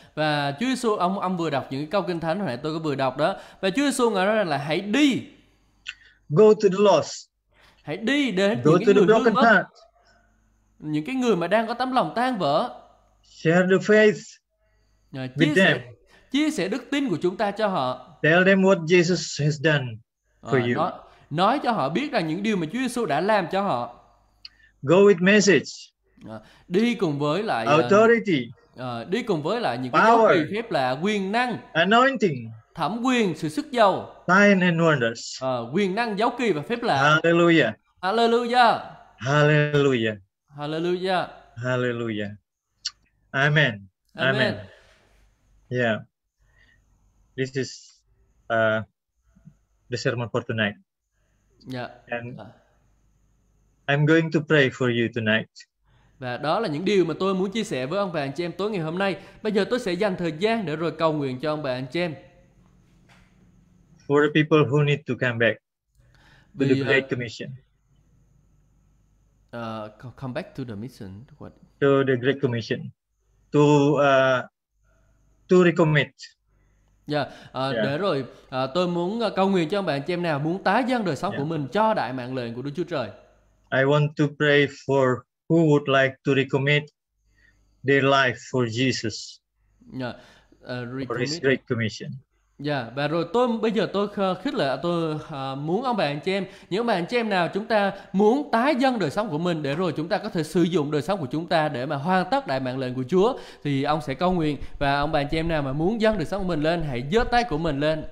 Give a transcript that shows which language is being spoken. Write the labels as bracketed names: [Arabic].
[Vietnamese] Và Chúa Giêsu ông vừa đọc những cái câu kinh thánh hồi nãy tôi có vừa đọc đó. Và Chúa Giêsu ngài nói rằng là hãy đi. [English] Go to the lost. [Vietnamese] Hãy đi đến [English] go [Vietnamese] những [English] to [Vietnamese] cái người [English] the broken heart. [Vietnamese] Những cái người mà đang có tấm lòng tan vỡ. [English] Share the faith with them. [Vietnamese] Chia sẻ đức tin của chúng ta cho họ. [English] Tell them what Jesus has done for you. [Vietnamese] Nói cho họ biết rằng những điều mà Chúa Giêsu đã làm cho họ. [English] Go with message. [Vietnamese] Đi cùng với lại [English] authority. [Vietnamese] Đi cùng với lại những [English] power, [Vietnamese] cái dấu kỳ phép là quyền năng, [English] anointing, [Vietnamese] thẩm quyền, sự sức dầu, [English] sign and wonders. [Vietnamese] Quyền năng, dấu kỳ và phép lạ. Hallelujah. Hallelujah. Hallelujah. Hallelujah. Hallelujah. Amen. Amen. Amen. [English] Yeah. This is the sermon for tonight. Yeah. And I'm going to pray for you tonight. [Vietnamese] Và đó là những điều mà tôi muốn chia sẻ với ông bà anh chị em tối ngày hôm nay. Bây giờ tôi sẽ dành thời gian để rồi cầu nguyện cho ông bà anh chị em. [English] For the people who need to come back to the Great Commission. Come back to the mission. What? To the Great Commission. To recommit. [Vietnamese] Để rồi tôi muốn cầu nguyện cho bạn chị em nào muốn tái dâng đời sống của mình cho đại mạng lệnh của Đức Chúa Trời. [English] I want to pray for who would like to recommit their life for Jesus. For His Great Commission. [Vietnamese] Và rồi tôi bây giờ tôi khích lệ tôi muốn ông bạn chị em, những bạn chị em nào chúng ta muốn tái dâng đời sống của mình để rồi chúng ta có thể sử dụng đời sống của chúng ta để mà hoàn tất đại mạng lệnh của Chúa, thì ông sẽ cầu nguyện. Và ông bạn chị em nào mà muốn dâng đời sống của mình lên, hãy giơ tay của mình lên.